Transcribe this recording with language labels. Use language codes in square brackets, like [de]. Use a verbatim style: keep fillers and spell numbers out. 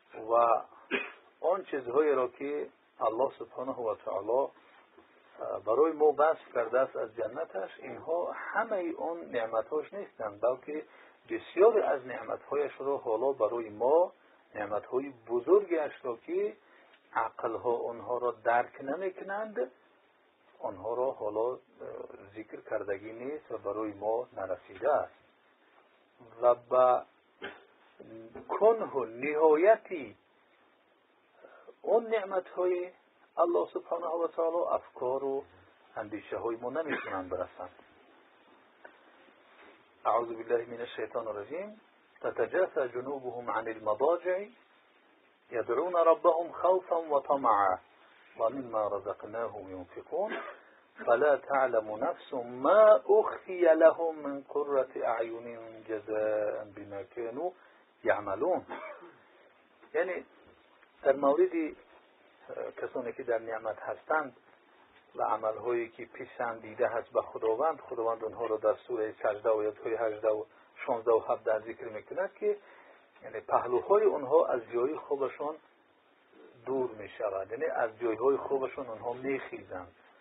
[fa] و آن چیزهایی را که الله سبحانه و تعالی برای ما وصف کرده است از جنتش، اینها همه آن نعمت‌هاش نیستند بلکه بسیاری از نعمت‌هایش را حالا برای ما، نعمت‌های بزرگیش را که عقل‌ها آنها را درک نمی‌کنند، آنها را حالا ذکر کردگی نیست و برای ما نرسیده است. و با کنه و نهایتی اون نعمت‌های الله سبحانه و تعالی افکار و اندیشه‌های ما نمی‌تونن برسند. [ar] اعوذ بالله من الشیطان الرجیم. تتجافى جنوبهم عن المضاجع يدعون ربهم خوفا وطمعا ومما رزقناهم ينفقون فلا تعلم نفس ما أخفي لهم من قرة أعين جزاء بما كانوا يعملون. [fa] یعنی در مورد کسانی که در نعمت هستند و عملهایی که پسندیده هست به خداوند، خداوند آنها را در سوره سجده و آیه هجده و شانزده و هفده ذکر میکند که یعنی پهلوهای آنها از جای خوبشان دور میشود، یعنی از جایهای خوبشان آنها میخیزند.